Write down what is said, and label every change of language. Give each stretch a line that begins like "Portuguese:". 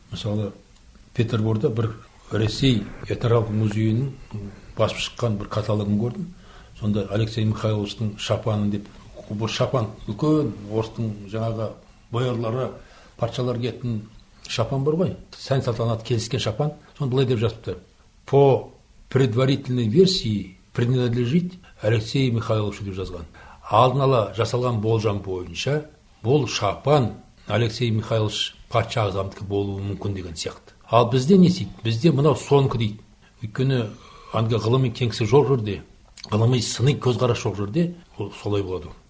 Kazakh: Мысалы, Петерборда бір Ресей этнографиялық музейінің басып шыққан бір каталогын көрдім. Сонда Алексей Михайловичтің шапаны деп, бұл шапан үлкен орыстың жаңағы боярлары, парчалары кетін шапан бар ғой. Сән салтанат келіскен шапан. Сонда былай деп жазыпты:
Russian: «По предварительной версии принадлежит Алексей Михайлович»
Kazakh: деп жазған. Алдын ала жасалған болжам бойынша, бұл шапан Алексей Михайлович патша ағзамдікі болуы мүмкін деген сияқты. Ал бізде не сейді? Бізде мынау соңғы дейді. Өйткені әнге ғылыми кеңсі жоқ жерде, ғылыми сыни көзқарас жоқ жерде, ол солай болады.